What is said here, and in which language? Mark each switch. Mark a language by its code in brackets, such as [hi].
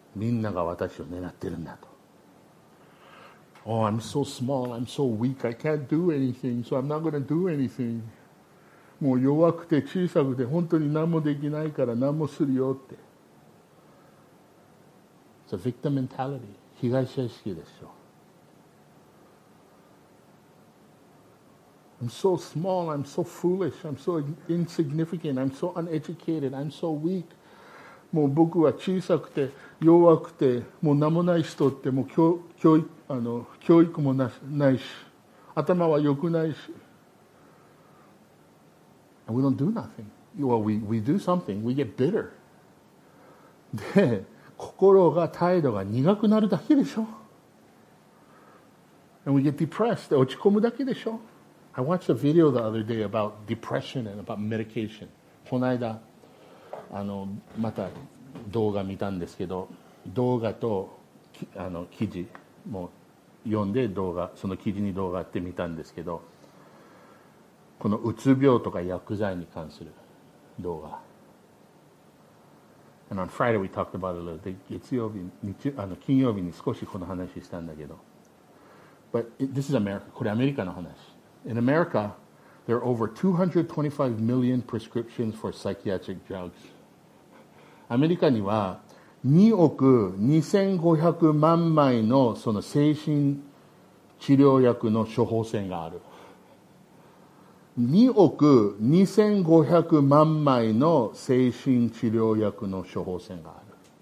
[ja] みんなが私を狙ってるんだと。 [en] Oh, I'm so small, I'm so weak, I can't do anything, so I'm not going to do anything. [ja] もう弱くて小さくて本当に何もできないから何もするよって。 [en] It's a victim mentality. [ja] 被害者意識でしょ。 [en] I'm so small, I'm so foolish, I'm so insignificant, I'm so uneducated, I'm so weak. [ja] もう僕は小さくて弱くてもう名もない人ってもう教育もないし頭は良くないし。 [en] And we don't do nothing. Well, we do something. We get bitter. [ja] で、心が態度が苦くなるだけでしょ。 [en] And we get depressed. [ja] 落ち込むだけでしょ。 [en] I watched a video the other day about depression and about medication. [ja] この間、また動画見たんですけど、動画と記事も読んで動画、その記事に動画って見たんですけど、このうつ病とか薬剤に関する動画。 [en] And on Friday we talked about it a little. [ja] 月曜日、金曜日に少しこの話したんだけど。 [en] But this is America. [ja] これアメリカの話。 [en] In America, there are over 225 million prescriptions for psychiatric drugs. [ja] アメリカには2億2500万枚のその精神治療薬の処方箋がある。 2億2500万枚の精神治療薬の処方箋がある。